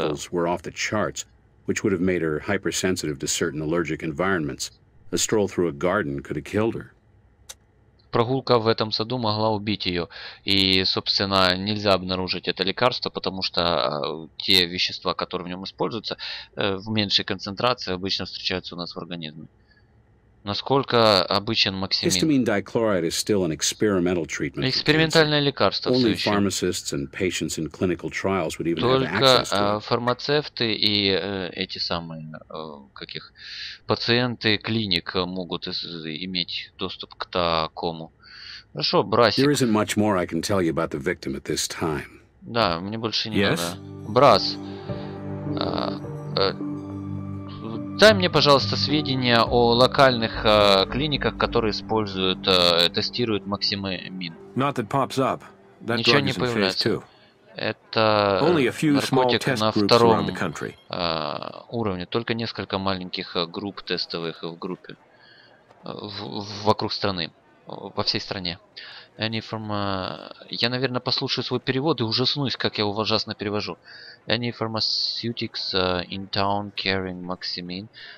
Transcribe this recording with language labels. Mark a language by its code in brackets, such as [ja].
[en] which would have made her hypersensitive to certain allergic environments. A stroll through a garden could have killed her. [ru] Прогулка в этом саду могла убить ее. И, собственно, нельзя обнаружить это лекарство, потому что те вещества, которые в нем используются, в меньшей концентрации обычно встречаются у нас в организме. Насколько обычен Максимин? [en] Histamine dichloride is still an experimental treatment. [ru] Экспериментальное лекарство все еще. [en] Only pharmacists and patients in clinical trials would even have access to. [ru] Только фармацевты и эти самые каких пациенты клиник могут иметь доступ к такому. Хорошо, Брасик. [en] There isn't much more I can tell you about the victim at this time. [ru] Да, мне больше не [en] yes? [ru] надо. Брас. Дай мне, пожалуйста, сведения о локальных клиниках, которые используют, тестируют Максимин. [en] Not that pops up. That [ru] Ничего не появляется. Это наркотик на втором уровне. Только несколько маленьких групп тестовых в группе. Вокруг страны. Во всей стране. Я, наверное, послушаю свой перевод и ужаснусь, как я его ужасно перевожу. [en] Any pharmaceutics in town carrying Maximin?